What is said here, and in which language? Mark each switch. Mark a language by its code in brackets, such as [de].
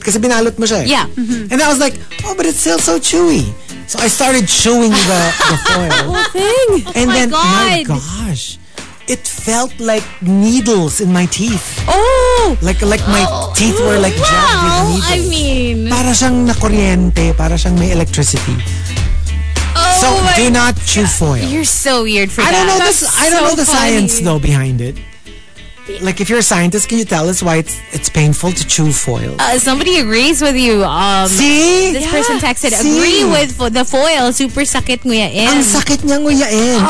[tl] Kasi binalot mo siya. [en] Yeah. Mm-hmm. And I was like, oh, but it's still so chewy. So I started chewing the foil. The whole thing. And oh then, my gosh, it felt like needles in my teeth. Oh! Like my teeth were like jammed with needles. Well, I mean. [tl] Para siyang na kuryente, para siyang may electricity. [en] So do not chew foil. You're so weird for that. I don't know the science though behind it. Like if you're a scientist, can you tell us why it's painful to chew foil? Somebody agrees with you. Person texted, agree with the foil. [tl] Super sakit nguyain. Ang sakit niya nguyain.